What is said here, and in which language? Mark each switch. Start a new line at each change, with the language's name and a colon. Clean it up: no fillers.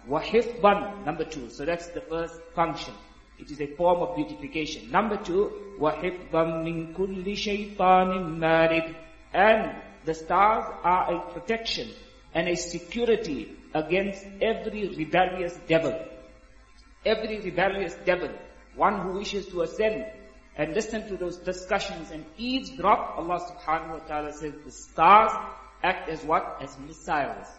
English: وَحِفْبًا, number two. So that's the first function. It is a form of beautification. Number two,
Arabic: وَحِفْبًا مِنْ كُلِّ شَيْطَانٍ مَارِدٍ.
English: And the stars are a protection and a security against every rebellious devil. Every rebellious devil, one who wishes to ascend and listen to those discussions and eavesdrop, Allah subhanahu wa ta'ala says the stars act as what? As missiles.